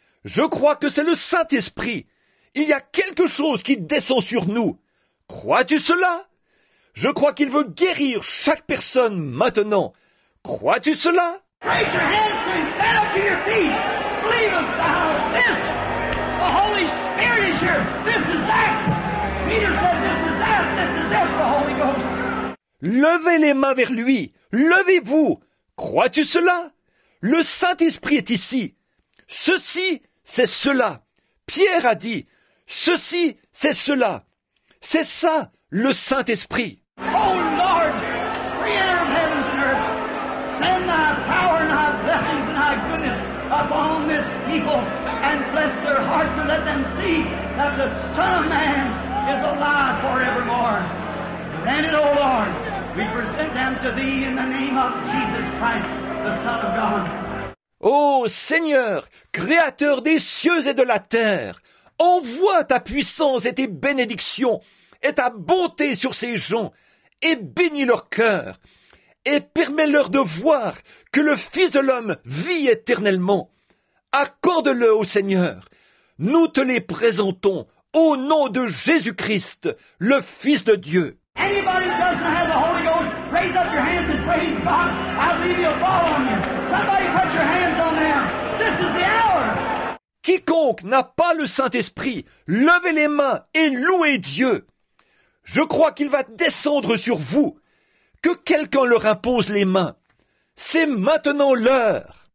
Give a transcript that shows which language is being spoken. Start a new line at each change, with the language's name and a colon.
French: Je crois que c'est le Saint-Esprit. Il y a quelque chose qui descend sur nous. Crois-tu cela? Je crois qu'il veut guérir chaque personne maintenant. Crois-tu cela?
English: Raise your hands and stand up to your feet. Believe us now. This, the Holy Spirit is here. This is that. Peter said this is that. This is that, the Holy Ghost.
French: Levez les mains vers lui. Levez-vous. Crois-tu cela? Le Saint-Esprit est ici. Ceci, c'est cela. Pierre a dit, ceci, c'est cela. C'est ça, le Saint-Esprit.
English: Oh Lord, Creator of heavens and earth, send thy power and thy blessings and thy goodness upon this people and bless their hearts and let them see that the Son of Man is alive forevermore. Then, O Lord, we present them to thee in the name of Jesus Christ, the Son of God.
French: Ô Seigneur, Créateur des cieux et de la terre, envoie ta puissance et tes bénédictions et ta bonté sur ces gens et bénis leur cœur et permets-leur de voir que le Fils de l'homme vit éternellement. Accorde-le, ô Seigneur. Nous te les présentons au nom de Jésus-Christ, le Fils de Dieu.
English: Anybody who doesn't have the Holy Ghost, raise up your hands and praise God. I believe he'll fall on you. Somebody put your hands on them. This is the hour.
French: Quiconque n'a pas le Saint-Esprit, levez les mains et louez Dieu. Je crois qu'il va descendre sur vous. Que quelqu'un leur impose les mains. C'est maintenant l'heure.